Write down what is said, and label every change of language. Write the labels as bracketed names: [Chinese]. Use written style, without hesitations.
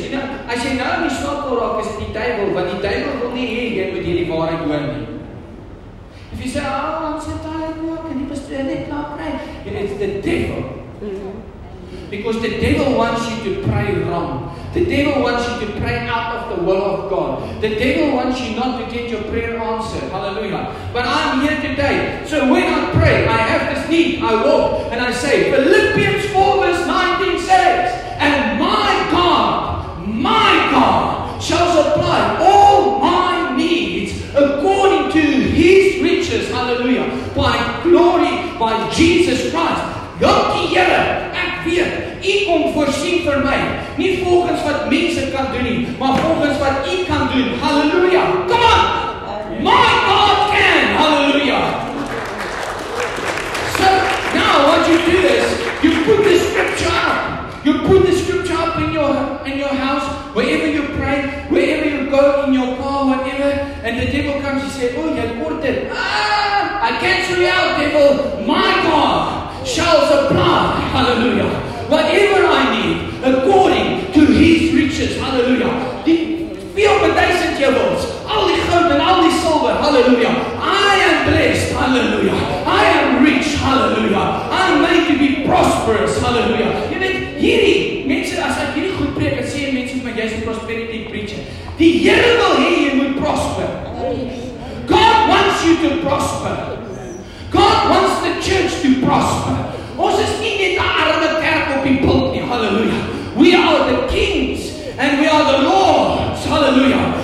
[English] You know, [Afrikaans] as jy nou nie swak word raak, is die duivel, want die duivel wil nie hê jy moet hierdie waarheid hoor nie. [English] If you say, oh, I'm so tired now, can you just let me pray? And it's the devil. Because the devil wants you to pray wrong. The devil wants you to pray out of the will of God. The devil wants you not to get your prayer answered. Hallelujah. But I'm here today. So when I pray, I have this need. I walk and I say, Philippians 4 verse 19 says, and my God shall supply all my needs according to His riches. Hallelujah. By glory, by Jesus Christ. [Afrikaans] God die Here, ek weet, U kom voorsien vir my. Nie volgens wat mense kan doen nie, maar volgens wat U kan doen. [English] Halleluja. Come on. My God can. Halleluja. So, now what you do is, you put the scripture up. You put the scripture up in your house, wherever you pray, wherever you go, in your car, whatever, and the devil comes and says, oh, [Afrikaans] jy kort dit. [English] I cancel you out, devil. My God shall supply, hallelujah, whatever I need, according to His riches, hallelujah. [Afrikaans] Die 4000 jewels, al die goud en al die silver, hallelujah. [English] I am blessed, hallelujah. I am rich, hallelujah. I am made to be prosperous, [Afrikaans] hallelujah. Jy weet, hierdie, mense, as ek hierdie goed preek, het sê mense, maar jy is prosperity preacher. Die Here wil hê jy moet prosper. [English] God wants you to prosper. God wants the church to prosper. [Afrikaans] Ons is nie net 'n arme kerk op die pulp nie, hallelujah. [English] We are the kings and we are the lords, hallelujah.